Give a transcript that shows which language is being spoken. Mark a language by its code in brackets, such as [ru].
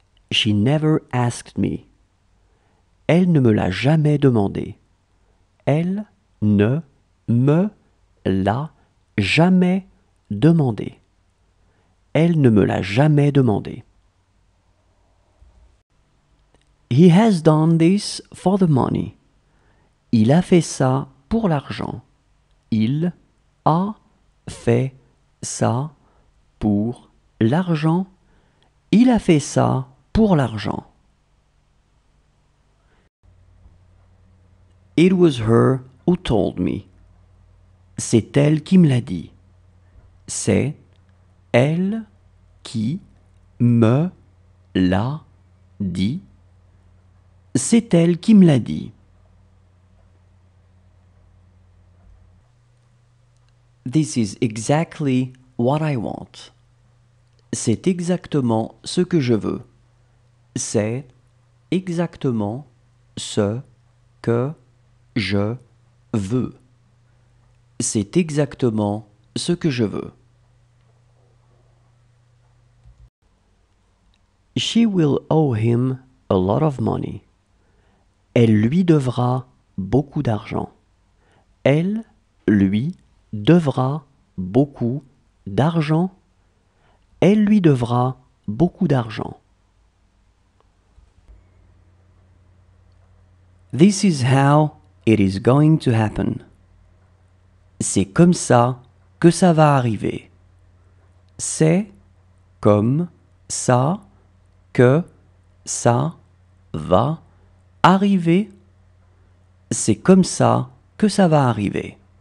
[en] She never asked me. [fr] Elle ne me l'a jamais demandé. Elle ne me l'a jamais demandé. Elle ne me l'a jamais demandé. [en] He has done this for the money. [fr] Il a fait ça pour l'argent. Il a fait ça pour l'argent. Il a fait ça pour l'argent. [en] It was her who told me. [fr] C'est elle qui me l'a dit. C'est elle qui me l'a dit. C'est elle qui me l'a dit. [en] This is exactly what I want. [fr] C'est exactement ce que je veux. C'est exactement ce que je veux. C'est exactement ce que je veux. [en] She will owe him a lot of money. [fr] Elle lui devra beaucoup d'argent. Elle lui devra beaucoup d'argent. Elle lui devra beaucoup d'argent. [en] This is how it is going to happen. [fr] C'est comme ça que ça va arriver. C'est comme ça que ça va arriver. C'est comme ça que ça va arriver.